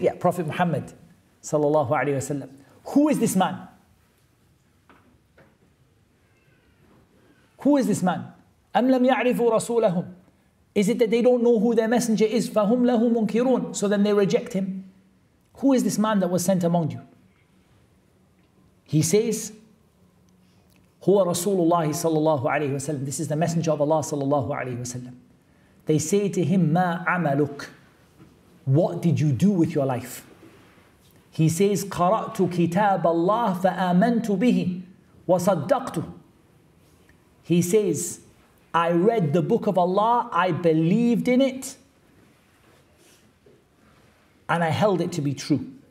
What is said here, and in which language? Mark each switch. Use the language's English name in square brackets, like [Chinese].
[English] Yeah, Prophet Muhammad sallallahu alayhi wasallam. Who is this man? Who is this man? [Arabic] أَمْ لَمْ يَعْرِفُوا رَسُولَهُمْ, [English] is it that they don't know who their messenger is? [Arabic] فَهُمْ لَهُ مُنْكِرُونَ, [English] so then they reject him. Who is this man that was sent among you? He says, [Arabic] هُوَ رَسُولُ اللَّهِ صَلَى اللَّهُ عَلَيْهِ وَسَلَّمْ, [English] this is the messenger of Allah صلى الله عليه وسلم. They say to him, [Arabic] مَا عَمَلُكَ, [English] what did you do with your life? He says, [Arabic] قَرَأْتُ كِتَابَ اللَّهِ فَآمَنْتُ بِهِ وَصَدَّقْتُ, [English] he says, I read the book of Allah, I believed in it, and I held it to be true.